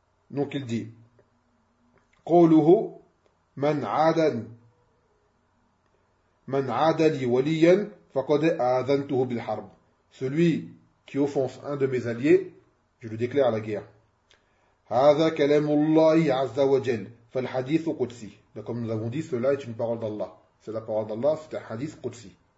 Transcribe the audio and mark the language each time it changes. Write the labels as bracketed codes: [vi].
[fr] Donc il dit: [ar] قوله من عادني وليا فقد آذنته بالحرب. [fr] Celui qui offense un de mes alliés, je le déclare à la guerre. [ar] هذا كلام الله عز وجل فالحديث قدسي. [fr] Comme nous avons dit, cela est une parole d'Allah. C'est la parole d'Allah, c'est un hadith qudsi.